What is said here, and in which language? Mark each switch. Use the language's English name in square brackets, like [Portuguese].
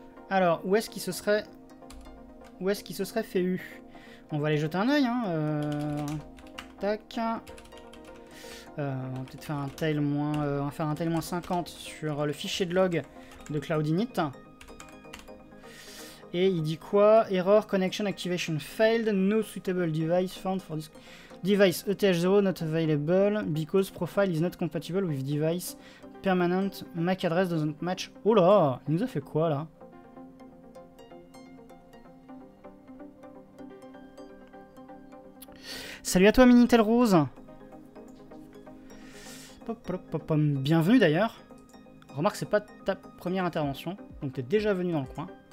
[French] Alors, où est-ce qu'il se serait fait U? On va aller jeter un œil, hein. Tac. On va peut-être faire un tail moins... on va faire un tail moins 50 sur le fichier de log de Cloud Init. Et il dit quoi? [English] Error connection activation failed, no suitable device found for this device ETH0 not available because profile is not compatible with device permanent MAC address doesn't match. [French] Oh là, il nous a fait quoi là? Salut à toi Minitel Rose. Bienvenue d'ailleurs. Remarque, c'est pas ta première intervention, donc t'es déjà venu dans le coin.